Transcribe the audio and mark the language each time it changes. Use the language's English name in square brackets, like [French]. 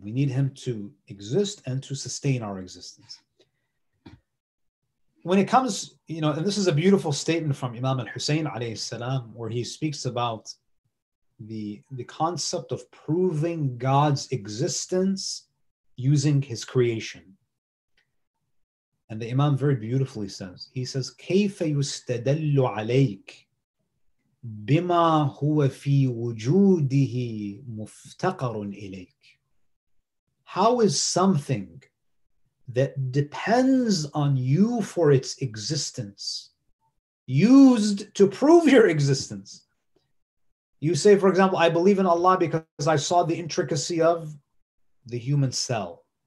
[English] We need Him to exist and to sustain our existence. When it comes, you know, and this is a beautiful statement from Imam al-Hussein alayhi salam, where he speaks about the concept of proving God's existence using His creation. And the Imam very beautifully says, he says, [Arabic] كَيْفَ يُسْتَدَلُّ عَلَيْكَ بِمَا هُوَ فِي وُجُودِهِ مُفْتَقَرٌ إِلَيْكَ. [English] How is something that depends on you for its existence used to prove your existence? You say, for example, I believe in Allah because I saw the intricacy of the human cell.